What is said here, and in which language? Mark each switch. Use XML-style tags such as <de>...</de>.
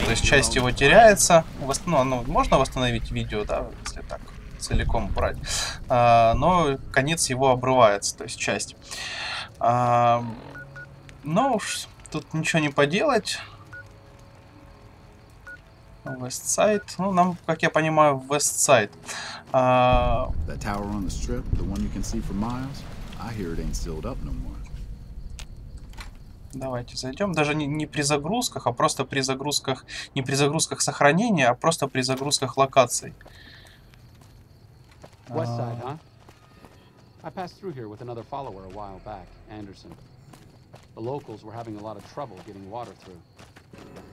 <ru>То есть часть его теряется. Можно восстановить видео, да, если так целиком брать. Но конец его обрывается, то есть часть. Но уж тут ничего не поделать. Вестсайд. Ну, нам, как я понимаю, Вестсайд.</ru> <en>That tower on the strip, the one you can see for miles, I hear it ain't sealed up no more.</en> <ru>Давайте зайдем. Даже не при загрузках, а просто при загрузках. Не при загрузках сохранения, а просто при загрузках локаций.</ru> <en>Westside, huh? I passed through here with another follower a while back, Anderson. The locals were having a lot of trouble getting water through.</en>